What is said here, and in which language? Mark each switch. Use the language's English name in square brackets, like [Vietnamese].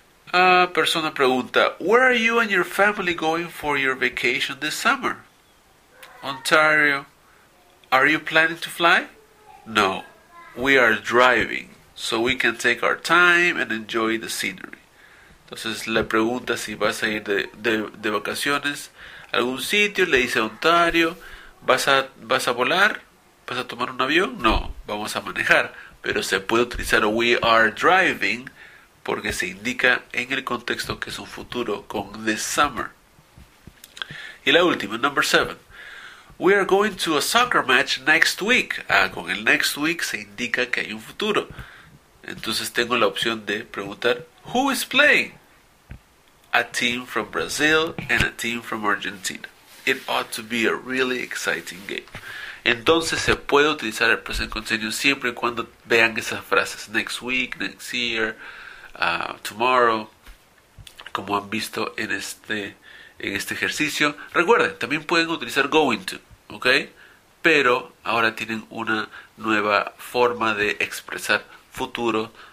[Spanish] Persona pregunta, [English] where are you and your family going for your vacation this summer? Ontario. Are you planning to fly? No. We are driving, so we can take our time and enjoy the scenery. [Spanish] Entonces le pregunta si vas a ir de vacaciones a algún sitio. Le dice a Ontario, ¿vas a volar? ¿Vas a tomar un avión? No, vamos a manejar. Pero se puede utilizar [English] we are driving [Spanish] porque se indica en el contexto que es un futuro con [English] this summer. [Spanish] Y la última, [English] number seven. We are going to a soccer match next week. [Spanish] Ah, con el next week se indica que hay un futuro. Entonces tengo la opción de preguntar, [English] who is playing? A team from Brazil and a team from Argentina. It ought to be a really exciting game. [Spanish] Entonces se puede utilizar el present continuous siempre y cuando vean esas frases. [English] Next week, next year, tomorrow. [Spanish] Como han visto en este ejercicio. Recuerden, también pueden utilizar going to, ¿ok? Pero ahora tienen una nueva forma de expresar futuro.